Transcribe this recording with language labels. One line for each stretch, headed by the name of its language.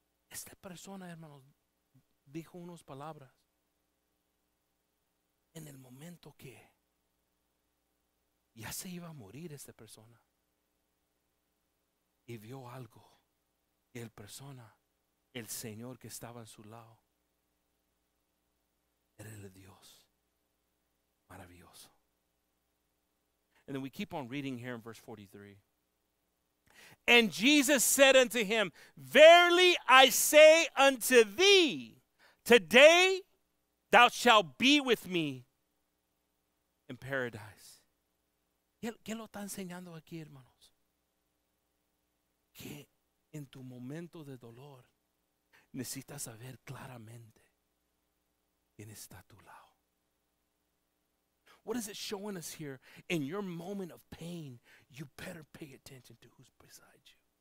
Spanish: Esta persona, hermanos, dijo unas palabras en el momento que ya se iba a morir esta persona. Y vio algo. Y el persona, el Señor que estaba a su lado, era el Dios maravilloso.
English: And then we keep on reading here in verse 43. And Jesus said unto him, verily I say unto thee, today thou shalt be with me in paradise.
Spanish: ¿Qué lo está enseñando aquí, hermanos? Que en tu momento de dolor necesitas saber claramente quién está a tu lado.
English: What is it showing us here? In your moment of pain, you better pay attention to who's beside you.